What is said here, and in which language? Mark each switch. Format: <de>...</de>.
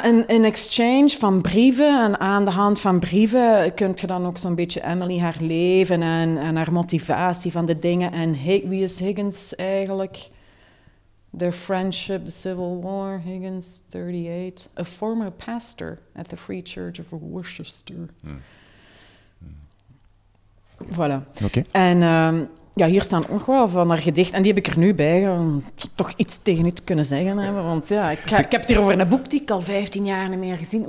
<nl>Een exchange van brieven. En aan de hand van brieven kun je dan ook zo'n beetje Emily haar leven en haar motivatie van de dingen. En wie is Higgins eigenlijk?</nl> <en>Their friendship, the civil war, Higgins, 38. A former pastor at the Free Church of Worcester.</en> <nl>Hmm. Voilà. Oké. Okay. En... ja, hier staan ook wel van haar gedicht. En die heb ik er nu bij, om toch iets tegen u te kunnen zeggen hebben. Want ja, ik heb het hier over een boek die ik al 15 jaar niet meer gezien.</nl>